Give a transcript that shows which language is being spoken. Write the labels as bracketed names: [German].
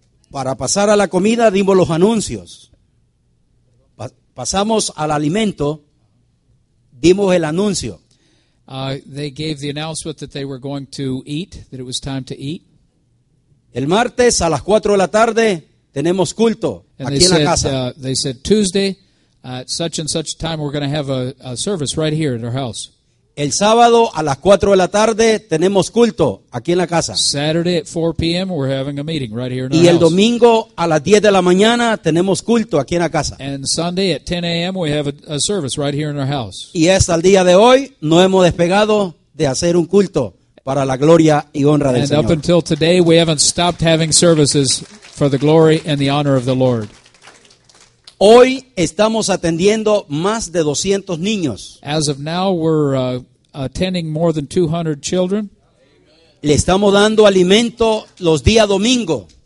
[Spanish] Para pasar a la comida dimos los anuncios. Pasamos al alimento, dimos el anuncio. [English] They gave the announcement that they were going to eat, that it was time to eat. [Spanish] El martes a las 4 de la tarde tenemos culto [English] and [Spanish] aquí en [English] said, [Spanish] la casa. [English] They said Tuesday at such and such time we're going to have a service right here at our house. [Spanish] El sábado a las 4 de la tarde tenemos culto aquí en la casa. [English] Saturday at 4 p.m. we're having a meeting right here in [Spanish] y [English] our [Spanish] el [English] house. [Spanish] Domingo a las 10 de la mañana tenemos culto aquí en la casa. [English] And Sunday at 10 a.m. we have a service right here in our house. [Spanish] Y hasta el día de hoy no hemos despegado de hacer un culto para la gloria y honra del [English] and [Spanish] Señor. [English] And up until today we haven't stopped having services for the glory and the honor of the Lord. [Spanish] Hoy estamos atendiendo más de 200 niños. [English] As of now, we're attending more than 200 children. [Spanish] Le estamos dando alimento los días domingo.